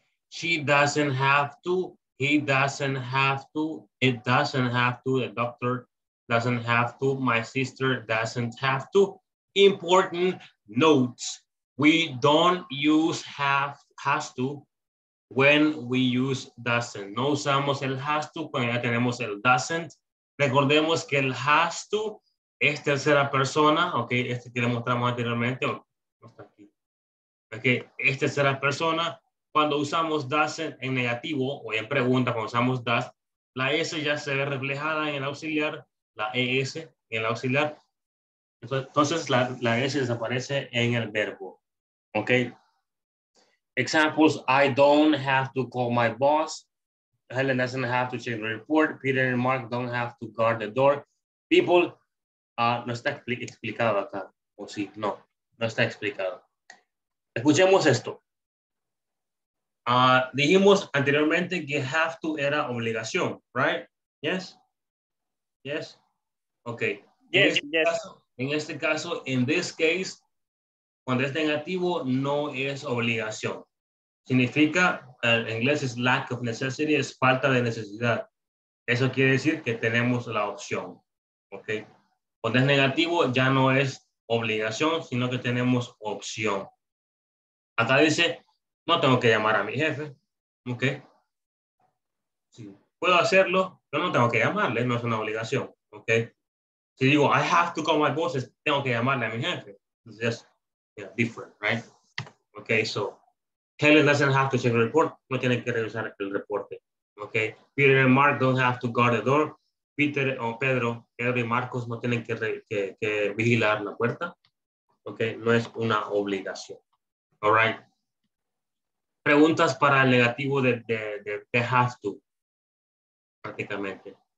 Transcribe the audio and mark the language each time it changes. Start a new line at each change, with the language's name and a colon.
English: She doesn't have to, he doesn't have to, it doesn't have to, the doctor doesn't have to, my sister doesn't have to. Important notes, we don't use has to, when we use doesn't.
Spanish: No usamos el has to cuando ya tenemos el doesn't. Recordemos que el has to es tercera persona, ok, este que le mostramos anteriormente, no está aquí. Ok, es tercera persona. Cuando usamos doesn't en negativo o en pregunta, cuando usamos does, la S ya se ve reflejada en el auxiliar, la ES en el auxiliar. Entonces la S desaparece en el verbo, ok.
English: Examples, I don't have to call my boss. Helen doesn't have to check the report. Peter and Mark don't have to guard the door. People,
Spanish: No está explicado acá, o sí, no, no está explicado. Escuchemos esto. Dijimos anteriormente que have to era obligación,
English: right? Yes? Yes? Okay. Yes, yes.
Spanish: Caso, en este caso,
English: in this case,
Spanish: cuando es negativo, no es obligación. Significa, en inglés es
English: lack of necessity,
Spanish: es falta de necesidad. Eso quiere decir que tenemos la opción, okay? Cuando es negativo, ya no es obligación, sino que tenemos opción. Acá dice, no tengo que llamar a mi jefe, ¿ok? Sí, puedo hacerlo, pero no tengo que llamarle, no es una obligación, ¿ok? Si digo,
English: I have to call my boss,
Spanish: tengo que llamarle a mi jefe.
English: It's just, yeah, different, right? Ok, so, Helen doesn't have to check the report,
Spanish: no tiene que revisar el reporte,
English: ¿ok? Peter and Mark don't have to guard the door.
Spanish: Peter o Pedro, Pedro y Marcos no tienen que vigilar la puerta, ¿ok? No es una obligación.
English: All right.
Spanish: Preguntas para el negativo de have to, prácticamente.